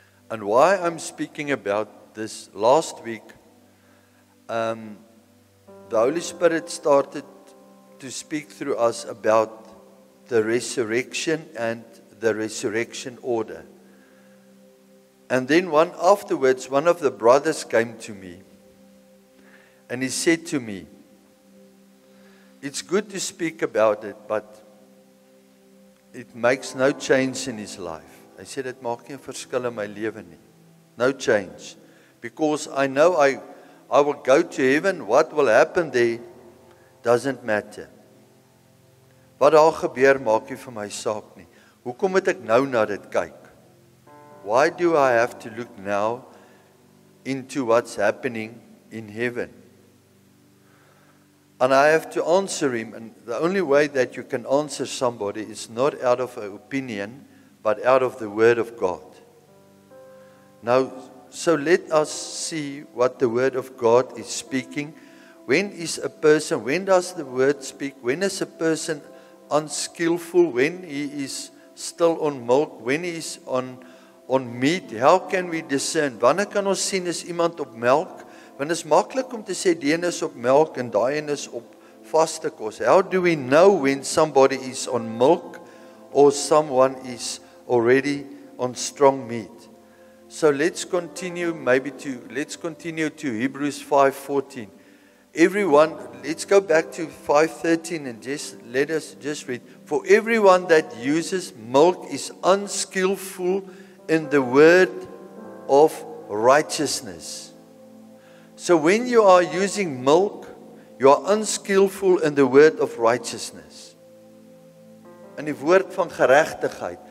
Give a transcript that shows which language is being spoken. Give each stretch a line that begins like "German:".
English: And why I'm speaking about this last week, the Holy Spirit started to speak through us about the resurrection and the resurrection order. And then one of the brothers came to me and he said to me, it's good to speak about it, but it makes no change in his life. I said,
Afrikaans: it maak nie 'n verskil in my lewe nie.
English: No change. Because I know I will go to heaven. What will happen there doesn't matter.
Afrikaans: Wat daar gebeur maak nie vir my saak nie. Hoekom moet ek nou na dit kyk?
English: Why do I have to look now into what's happening in heaven? And I have to answer him. And the only way that you can answer somebody is not out of an opinion, but out of the Word of God. Now, so let us see what the Word of God is speaking. When does the Word speak? When is a person unskillful? When he is still on milk? When he is on meat, how can we discern?
Afrikaans: Wanneer kan ons sien is iemand op melk? Want is makkelijk om te sê die een is op melk en die een is op vaste kos.
English: How do we know when somebody is on milk or someone is already on strong meat? So let's continue to Hebrews 5:14. Everyone, let's go back to 5:13 and let us read. For everyone that uses milk is unskillful in the word of righteousness. So when you are using milk, you are unskillful in the word of righteousness.
Afrikaans: In die woord van geregtigheid.